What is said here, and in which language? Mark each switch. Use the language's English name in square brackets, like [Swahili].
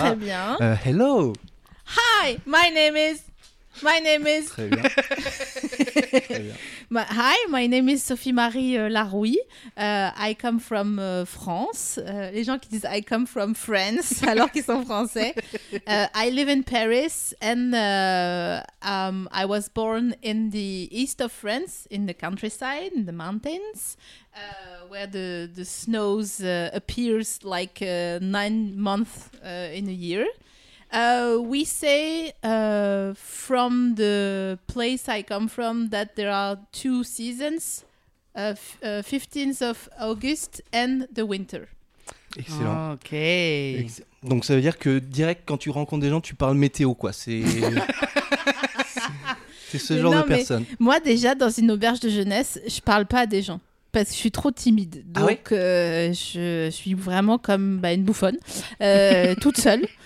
[French] Très bien. [English] Hello. Hi, my name is. [French] Très bien. Très bien. [English] Hi, my name is Sophie-Marie Larouille. I come from France. [French] Les gens qui disent [English] I come from France [French] alors qu'ils sont français. [English] I live in Paris and I was born in the east of France, in the countryside, in the mountains, where the snows appears like 9 months in a year. We say from the place I come from that there are two seasons, 15th of August and the winter. [French] Excellent. Ok. Donc ça veut dire que direct quand tu rencontres des gens, tu parles météo, quoi. C'est ce genre non, de personne. Moi déjà, dans une auberge de jeunesse, je parle pas à des gens. Parce que je suis trop timide. Donc, je suis vraiment comme une bouffonne, toute seule.